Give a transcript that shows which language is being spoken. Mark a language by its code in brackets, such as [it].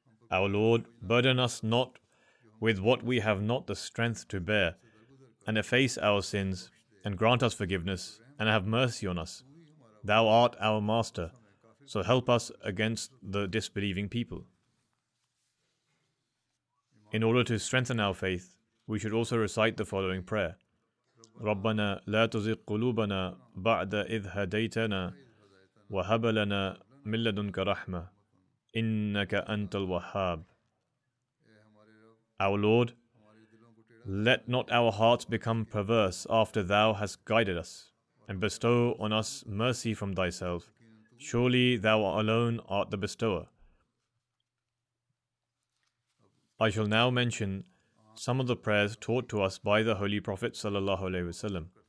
[en] Our Lord, burden us not with what we have not the strength to bear, and efface our sins, and grant us forgiveness, and have mercy on us. Thou art our master, so help us against the disbelieving people. In order to strengthen our faith, we should also recite the following prayer. [ar] ربنا لا تزغ قلوبنا بعد إذ هديتنا وهب لنا من لدنك رحمة إنك أنت الوهاب. [en] Our Lord, let not our hearts become perverse after Thou hast guided us, and bestow on us mercy from Thyself. Surely Thou alone art the bestower. I shall now mention some of the prayers taught to us by the Holy Prophet sallallahu alaihi wasallam.